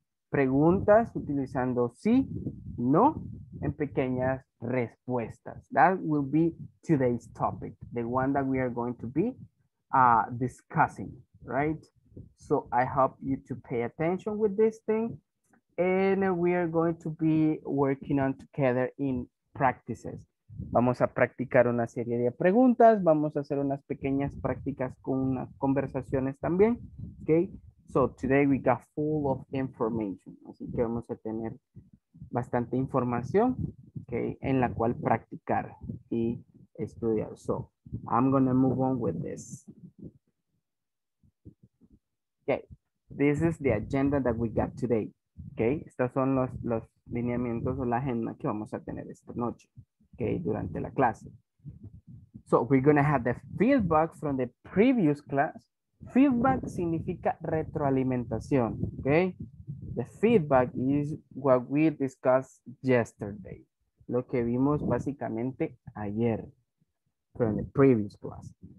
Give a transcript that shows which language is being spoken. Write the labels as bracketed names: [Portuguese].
[Spanish] Preguntas utilizando sí, no, en pequeñas respuestas. [English] That will be today's topic, the one that we are going to be discussing, right? So I hope you to pay attention with this thing, and we are going to be working on together in practices. [Spanish] Vamos a practicar una serie de preguntas, vamos a hacer unas pequeñas prácticas con unas conversaciones también, okay? [English] So today we got full of information, [Spanish] así que vamos a tener bastante información, okay, en la cual practicar y estudiar. [English] So I'm gonna move on with this. Okay, this is the agenda that we got today, okay? [Spanish] Estos son los lineamientos o la agenda que vamos a tener esta noche, okay, durante la clase. [English] So we're gonna have the feedback from the previous class. [Spanish] Feedback significa retroalimentación, okay? [English] The feedback is what we discussed yesterday, [Spanish] lo que vimos básicamente ayer [English] from the previous class.